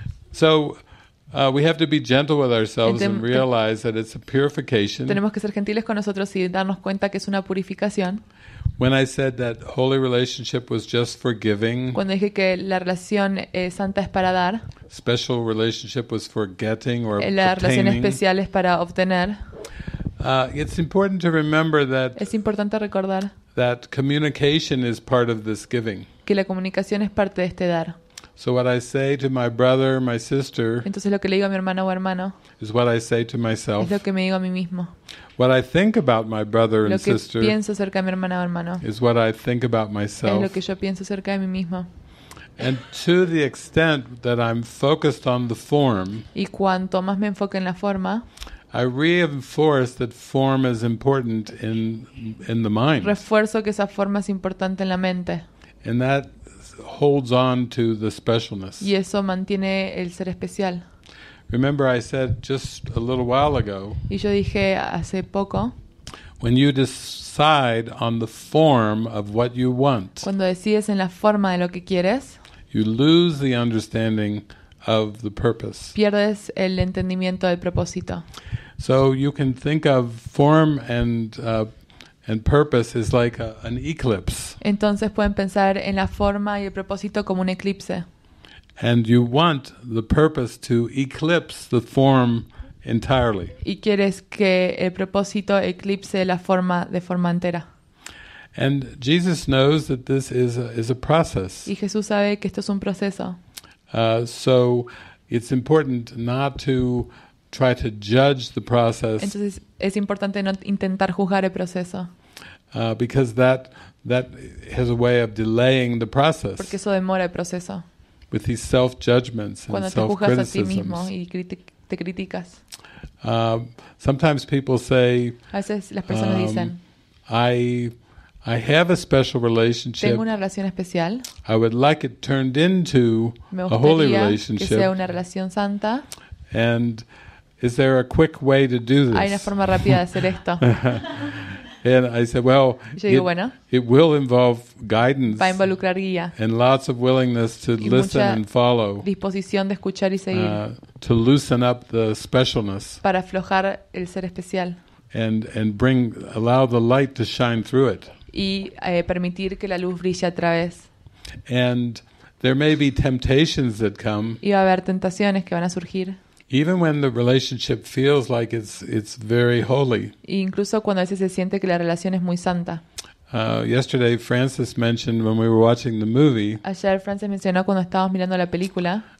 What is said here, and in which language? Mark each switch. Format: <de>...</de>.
<en>So we have to be gentle with ourselves and realize that it's a purification.</en> <es>Tenemos que ser gentiles con nosotros y darnos cuenta que es una purificación.</es> <en>When I said that holy relationship was just for giving,</en> <es>cuando dije que la relación santa es para dar,</es> <en>special relationship was for getting or obtaining,</en> <es>la relación especial es para obtener.</es> <en>It's important to remember that.</en> <es>Es importante recordar</es> <en>that communication is part of this giving.</en> <es>Que la comunicación es parte de este dar.</es> <en>So what I say to my brother, my sister,</en> <es>entonces lo que le digo a mi hermano o hermano,</es> <en>is what I say to myself.</en> <es>Es lo que me digo a mí mismo.</es> <en>What I think about my brother and sister,</en> <es>lo que pienso acerca de mi hermana o hermano,</es> <en>is what I think about myself.</en> <es>Es lo que yo pienso acerca de mí mismo.</es> <en>And to the extent that I'm focused on the form,</en> <es>y cuanto más me enfoque en la forma,</es> <en>I reinforce that form is important in the mind.</en> <es>Refuerzo que esa forma es importante en la mente.</es> <en>And that holds on to the specialness.</en> <es>Y eso mantiene el ser especial.</es> <en>Remember, I said just a little while ago.</en> <es>Y yo dije hace poco.</es> <en>When you decide on the form of what you want.</en> <es>Cuando decides en la forma de lo que quieres.</es> <en>You lose the understanding of the purpose.</en> <es>Pierdes el entendimiento del propósito.</es> <en>So you can think of form and purpose is like an eclipse.</en> <es>Entonces pueden pensar en la forma y el propósito como un eclipse.</es> <en>And you want the purpose to eclipse the form entirely.</en> <es>Y quieres que el propósito eclipse la forma de forma entera.</es> <en>And Jesus knows that this is a process.</en> <es>Y Jesús sabe que esto es un proceso.</es> <en>So it's important not to try to judge the process.</en> <es>Entonces es importante no intentar juzgar el proceso.</es> <en>Because that has a way of delaying the process.</en> <es>Porque eso demora el proceso.</es> <en>With these self-judgments and self-criticisms.</en> <es>Cuando te juzgas a ti mismo y te criticas.</es> <en>Sometimes people say,</en> <es>a veces las personas dicen,</es> <en>I have a special relationship.</en> <es>Tengo una relación especial.</es> <en>I would like it turned into a holy relationship.</en> <es>Me gustaría que sea una relación santa.</es> <en>And is there a quick way to do this?</en> <es>Hay una forma rápida de hacer esto.</es> <en>And I said, well,</en> <es>digo, bueno,</es> <en>it will involve guidance.</en> <es>Va a involucrar guía.</es> <en>And lots of willingness to listen and follow.</en> <es>Disposición de escuchar y seguir.</es> <en>To loosen up the specialness.</en> <es>Para aflojar el ser especial.</es> <en>And bring allow the light to shine through it.</en> <es>Y permitir que la luz brille a través.</es> <en>And there may be temptations that come.</en> <es>Y va a haber tentaciones que van a surgir.</es> <en>Even when the relationship feels like it's very holy.</en> <es>E incluso cuando a veces se siente que la relación es muy santa.</es> <en>Yesterday Francis mentioned when we were watching the movie.</en> <es>Ayer Francis mencionó cuando estábamos mirando la película.</es>